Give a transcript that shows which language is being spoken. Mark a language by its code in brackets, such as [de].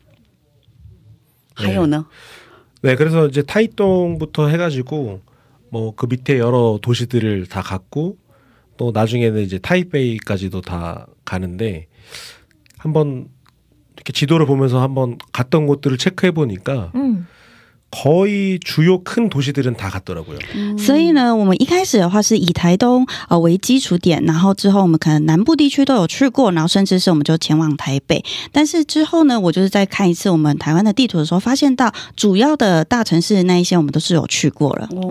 [zh] 其实台东的话，就是一般来说，就是观光客比较不会去的一个非常乡下的一个地方。因为其实交通第一比较没有那么方便啊，而且就靠山，对，背山面海，要花很长时间，要去的话要花很长时间。对对对对对。还有呢？네, [ko] 그래서 이제 타이동부터 해가지고 뭐 그 밑에 여러 도시들을 다 갔고. 또 나중에는 이제 타이베이까지도 다 가는데 한번 이렇게 지도를 보면서 한번 갔던 곳들을 체크해 보니까 거의 주요 큰 도시들은 다 갔더라고요. [zh] 所以呢我们一开始的话是以台东为基础点然后之后我们可能南部地区都有去过然后甚至是我们就前往台北但是之后呢我就是再看一次我们台湾的地图的时候发现到主要的大城市那一些我们都是有去过了